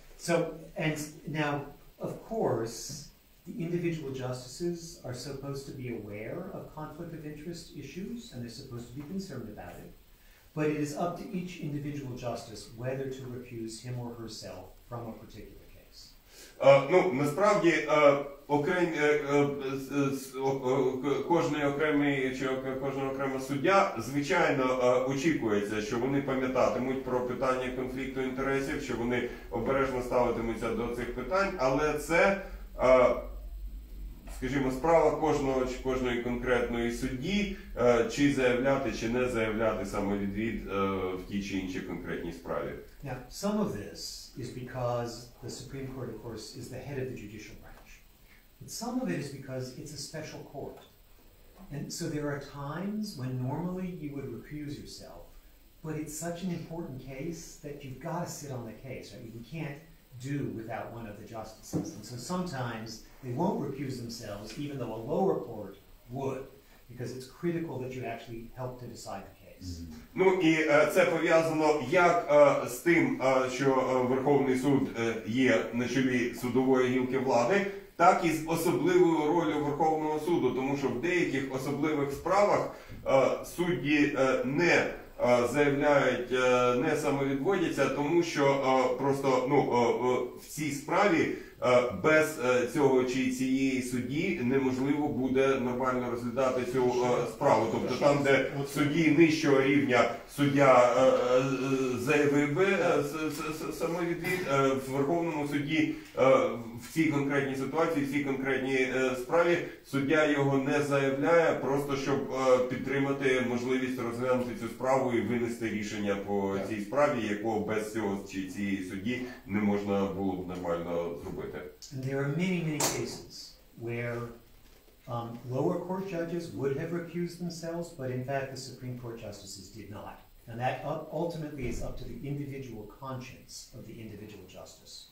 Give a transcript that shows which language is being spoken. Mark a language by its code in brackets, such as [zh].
[en] So, and now, of course, the individual justices are supposed to be aware of conflict of interest issues, and they're supposed to be concerned about it. But it is up to each individual justice whether to recuse him or herself from a particular case. [uk] Кожен окремий суддя, звичайно, очікується, що вони пам'ятатимуть про питання конфлікту інтересів, що вони обережно ставитимуться до цих питань, але це скажімо, справа кожного чи кожної конкретної судді, чи заявляти, чи не заявляти саме відвід в тій чи іншій конкретній справі. [en] Now, some of this is because the Supreme Court, of course, is the head of the judicial branch. But some of it is because it's a special court. And so there are times when normally you would recuse yourself, but it's such an important case that you've got to sit on the case, right? You can't do without one of the justices. And so sometimes they won't recuse themselves, even though a lower court would, because it's critical that you actually help to decide the case. Mm-hmm. [uk] Ну, і це пов'язано як з тим, що Верховний суд є на чолі судової гілки влади, так і з особливою роллю Верховного суду, тому що в деяких особливих справах судді не заявляють, не самовідводяться, тому що просто ну в цій справі без цього чи цієї судді неможливо буде нормально розглядати цю справу. Тобто там, де судді нижчого рівня, суддя заявив самовідвід, в Верховному суді в цій конкретній ситуації, в цій конкретній справі суддя його не заявляє, просто щоб підтримати можливість розглянути цю справу і винести рішення по цій справі, якого без цього чи цієї судді не можна було б нормально зробити. [en] And there are many, many cases where lower court judges would have recused themselves, but in fact the Supreme Court justices did not. And that ultimately is up to the individual conscience of the individual justice.